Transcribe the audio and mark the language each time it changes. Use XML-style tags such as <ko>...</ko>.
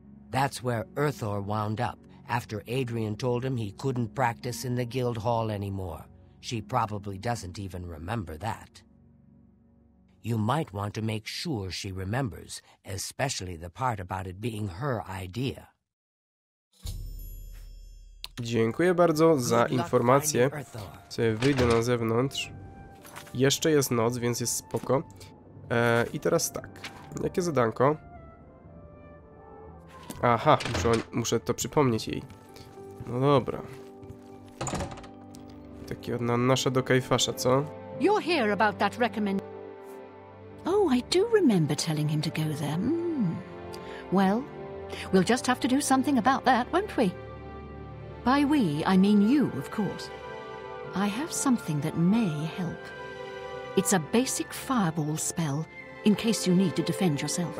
<en>That's where Erthor wound up, after Adrian told him he couldn't practice in the guild hall anymore. She probably doesn't even remember that. You might want to make sure she remembers, especially the part about it being her idea.</en> <pl>Dziękuję bardzo za informację. Sobie wyjdę na zewnątrz. Jeszcze jest noc, więc jest spoko. I teraz tak. Jakie zadanko? Aha, muszę to przypomnieć jej. No dobra. Taki od nasza do kajfasza, co?</pl> <en>You're here about that recommend. Oh, I do remember telling him to go there. Well, we'll just have to do something about that, won't we? By we, I mean you, of course. I have something that may help. It's a basic fireball spell, in case you need to defend yourself.</en>